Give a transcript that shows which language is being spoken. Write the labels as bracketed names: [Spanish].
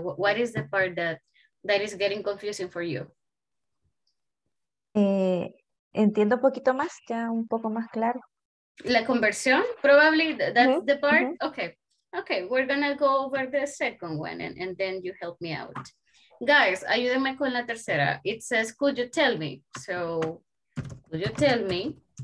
[English] What is the part that is getting confusing for you? [Spanish] Entiendo un poquito más, ya un poco más claro. [English] La conversión, probably, that's mm-hmm. the part. Mm-hmm. Okay, okay, we're gonna go over the second one and then you help me out. Guys, [Spanish] ayúdenme con la tercera. [English] It says, could you tell me? So, Could you tell me?